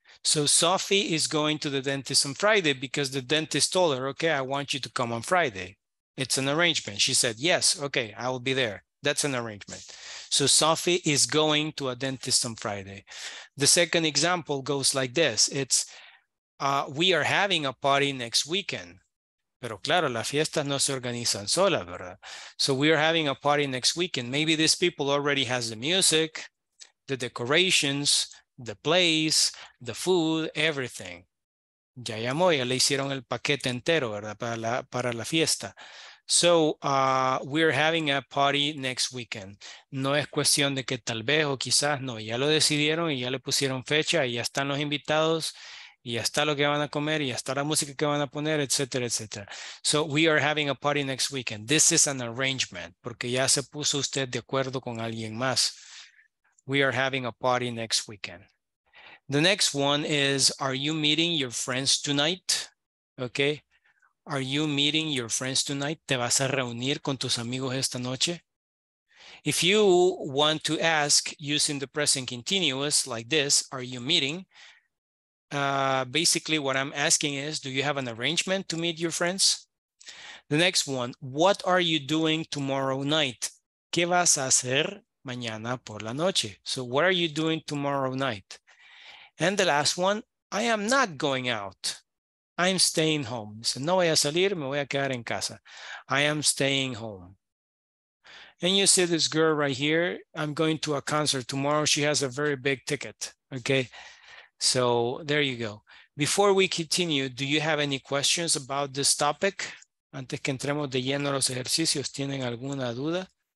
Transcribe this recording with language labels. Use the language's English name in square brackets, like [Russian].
[English] So Sophie is going to the dentist on Friday because the dentist told her, okay, I want you to come on Friday. It's an arrangement. She said, yes, okay, I will be there. That's an arrangement. So Sophie is going to a dentist on Friday. The second example goes like this. It's, we are having a party next weekend. [Spanish] Pero claro, las fiestas no se organizan solas, ¿verdad? [English] So we are having a party next weekend. Maybe these people already has the music, the decorations, the place, the food, everything. [Spanish] Ya llamó, ya le hicieron el paquete entero, ¿verdad? Para la fiesta. [English] So we're having a party next weekend. [Spanish] No es cuestión de que tal vez o quizás, no, ya lo decidieron y ya le pusieron fecha y ya están los invitados y ya está lo que van a comer y ya está la música que van a poner, etcétera, etcétera. [English] So we are having a party next weekend. This is an arrangement, [Spanish] porque ya se puso usted de acuerdo con alguien más. [English] We are having a party next weekend. The next one is, are you meeting your friends tonight? Okay. Are you meeting your friends tonight? [Spanish] ¿Te vas a reunir con tus amigos esta noche? [English] If you want to ask using the present continuous like this, are you meeting? Basically, what I'm asking is, do you have an arrangement to meet your friends? The next one, what are you doing tomorrow night? [Spanish] ¿Qué vas a hacer mañana por la noche? [English] So what are you doing tomorrow night? And the last one, I am not going out. I'm staying home. [Spanish] So, no voy a salir, me voy a quedar en casa. [English] I am staying home. And you see this girl right here. I'm going to a concert tomorrow. She has a very big ticket. Okay. So there you go. Before we continue, do you have any questions about this topic? [Spanish] Antes que entremos de lleno a los ejercicios, ¿tienen alguna duda?